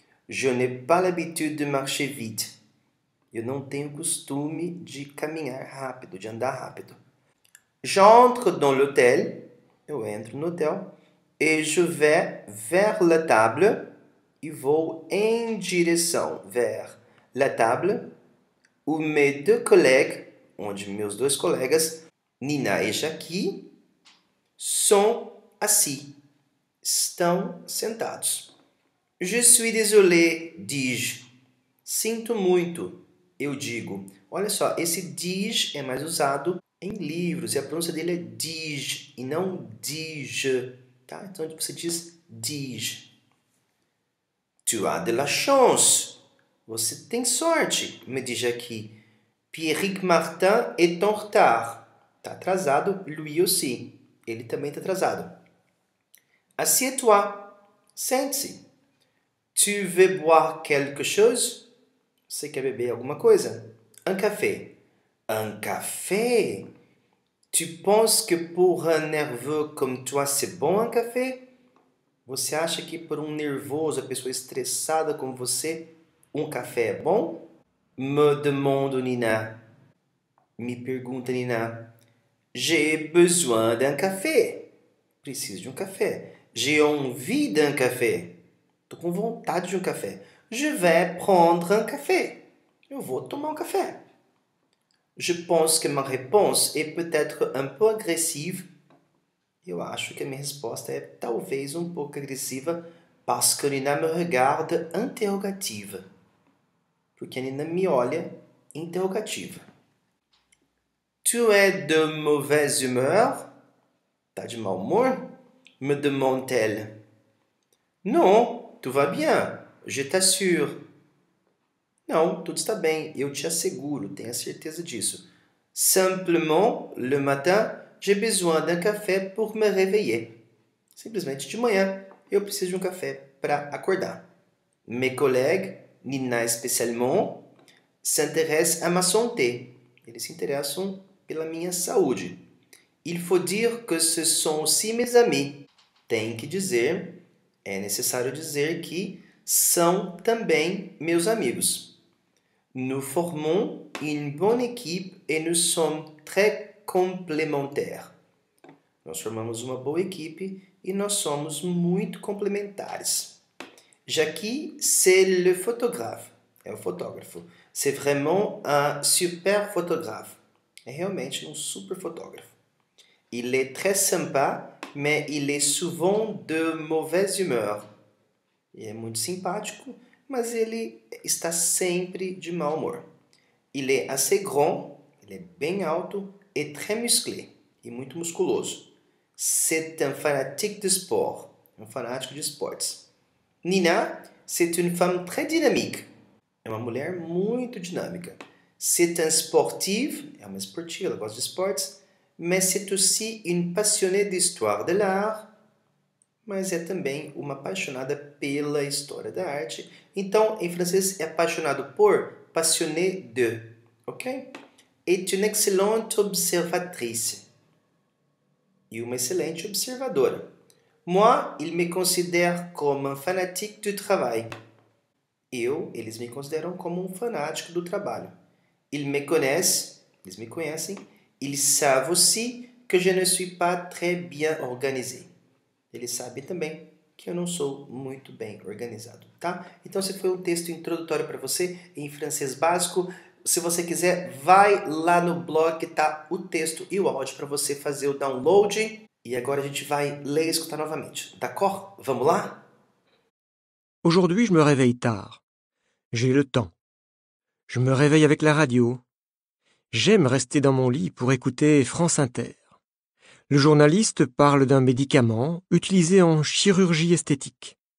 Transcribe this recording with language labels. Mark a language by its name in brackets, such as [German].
[French] Je n'ai pas l'habitude de marcher vite. [Portuguese] Eu não tenho costume de caminhar rápido, de andar rápido. [French] J'entre dans l'hôtel, [Portuguese] eu entro no hotel, [French] et je vais vers la table [Portuguese] e vou em direção [French] vers la table où mes deux collègues, [Portuguese] onde meus dois colegas, [French] Nina e Jackie, sont assis, [Portuguese] estão sentados. [French] Je suis désolé, dis-je. [Portuguese] Sinto muito, eu digo. Olha só, esse dis é mais usado em livros e a pronúncia dele é dis e não dis-je, tá? Então você diz dis. [French] Tu as de la chance. [Portuguese] Você tem sorte, me diz aqui. [French] Pierrick Martin est en retard. [Portuguese] Tá atrasado, [French] lui aussi. [Portuguese] Ele também tá atrasado. [French] Assieds-toi. [Portuguese] Sente-se. [French] Tu veux boire quelque chose? [Portuguese] Você quer beber alguma coisa? [French] Un café. Un café? Tu penses que pour un nerveux comme toi, c'est bon un café? [Portuguese] Você acha que por um nervoso, a pessoa estressada como você, um café é bom? [French] Me demande Nina. [Portuguese] Me pergunta Nina. [French] J'ai besoin d'un café. [Portuguese] Preciso de um café. [French] J'ai envie d'un café. [Portuguese] Tô com vontade de um café. [French] Je vais prendre un café. [Portuguese] Eu vou tomar um café. [French] Je pense que ma réponse est peut-être un peu agressive. [Portuguese] Eu acho que a minha resposta é talvez um pouco agressiva [French] parce que Nina me regarde interrogativa. [Portuguese] Porque a Nina me olha interrogativa. [French] Tu es de mauvaise humeur? [Portuguese] Tá de mau humor? [French] Me demande-t-elle. Non. Tout va bien, je t'assure. [Portuguese] Não, tudo está bem, eu te asseguro, tenho a certeza disso. [French] Simplement, le matin, j'ai besoin d'un café pour me réveiller. [Portuguese] Simplesmente, de manhã, eu preciso de um café para acordar. [French] Mes collègues, Nina especialement, s'intéressent à ma santé. [Portuguese] Eles se interessam pela minha saúde. [French] Il faut dire que ce sont aussi mes amis. [Portuguese] Tem que dizer. É necessário dizer que são também meus amigos. [French] Nous formons une bonne équipe et nous sommes très complémentaires. [Portuguese] Nós formamos uma boa equipe e nós somos muito complementares. [French] Jackie, c'est le photographe. [Portuguese] É o fotógrafo. [French] C'est vraiment un super photographe. [Portuguese] É realmente um super fotógrafo. [French] Il est très sympa, mais il est souvent de mauvaise humeur. [Portuguese] Ele é muito simpático, mas ele está sempre de mau humor. [French] Il est assez grand, [Portuguese] ele é bem alto [French] et très musclé, [Portuguese] e muito musculoso. [French] C'est un fanatique de sport, [Portuguese] um fanático de esportes. [French] Nina, c'est une femme très dynamique. [Portuguese] É uma mulher muito dinâmica. [French] C'est un sportif, [Portuguese] é uma esportiva, ela gosta de esportes. [French] Mais c'est aussi une passionnée d'histoire de l'art. [Portuguese] Mas é também uma apaixonada pela história da arte. Então, em francês, é apaixonado por, [French] passionné de. [Portuguese] Ok? [French] Est une excellente observatrice. [Portuguese] E uma excelente observadora. [French] Moi, ils me considèrent comme un fanatique du travail. [Portuguese] Eu, eles me consideram como um fanático do trabalho. [French] Ils me connaissent, [Portuguese] eles me conhecem. [French] Ils savent aussi que je ne suis pas très bien organisé. [Portuguese] Ele sabe também que eu não sou muito bem organizado, tá? Então, esse foi o um texto introdutório para você em francês básico. Se você quiser, vai lá no blog que tá o texto e o áudio para você fazer o download. E agora a gente vai ler e escutar novamente. [French] D'accord? [Portuguese] Vamos lá? [French] Aujourd'hui, je me réveille tard. J'ai le temps. Je me réveille avec la radio. J'aime rester dans mon lit pour écouter France Inter. Le journaliste parle d'un médicament utilisé en chirurgie esthétique.